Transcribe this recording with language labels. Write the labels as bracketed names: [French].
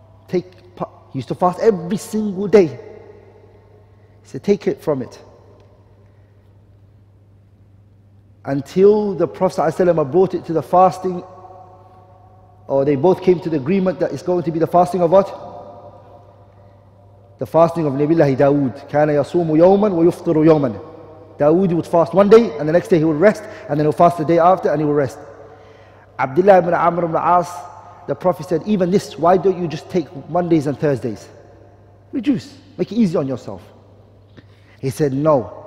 [English] He used to fast every single day. He said, take it from it. Until the Prophet ﷺ brought it to the fasting, or they both came to the agreement that it's going to be the fasting of what? The fasting of Nabi Allahi Dawood. [Arabic] كان يصوم يوما ويفطر يوما. [English] Dawood would fast one day, and the next day he would rest, and then he'll fast the day after, and he would rest. Abdullah ibn Amr ibn al-As, the Prophet said, even this, why don't you just take Mondays and Thursdays? Reduce, make it easy on yourself. He said, no.